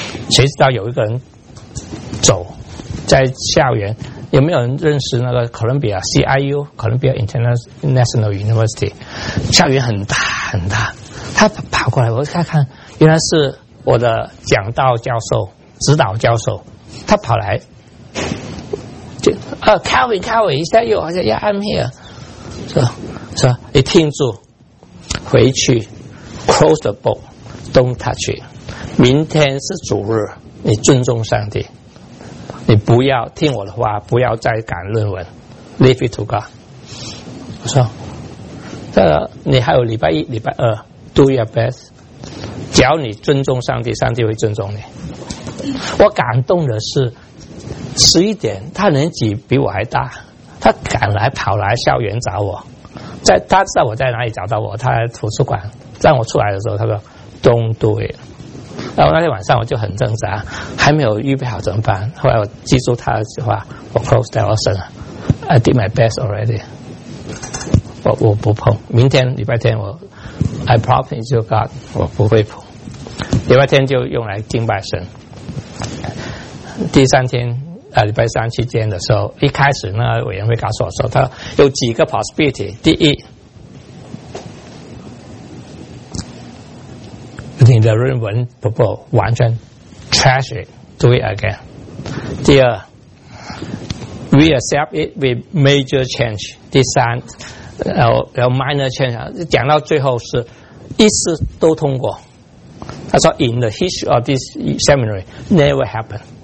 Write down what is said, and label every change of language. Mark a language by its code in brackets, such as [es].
[zh] 谁知道有一个人走在校园，有没有人认识那个 Columbia CIU Columbia International University？校园很大很大，他跑过来，我看看，原来是我的讲道教授、指导教授，他跑来，就Calvin，Calvin， 一下又好像 [en] Yeah，I'm here， [zh] 是吧？你听住，回去 [en] close the book，don't touch it。 [zh] 明天是主日，你尊重上帝。你不要听我的话，不要再赶论文 ， [en] leave it to God。 [zh] 我说，这个你还有礼拜一、礼拜二 ， [en] do your best。 [zh] 只要你尊重上帝，上帝会尊重你。我感动的是，11点，他年纪比我还大，他赶来跑来校园找我，在他知道我在哪里找到我，他在图书馆，让我出来的时候，他说 ， [en] don't do it。 [zh] 然后那天晚上我就很挣扎，还没有预备好怎么办？后来我记住他的话，我 [en] close that lesson， I did my best already， [zh] 我不碰。明天礼拜天我 [en] I promise you God， [zh] 我不会碰。礼拜天就用来敬拜神。第三天礼拜三去见的时候，一开始那委员会告诉我说，他有几个 possibility。第一，你的论文不完全 [en] trash it， do it again。 [zh] 第二， [en] we accept it with major change。 [zh] 第三，然后 minor change， 讲到最后是一次都通过。他说 [en] in the history of this seminary never happen。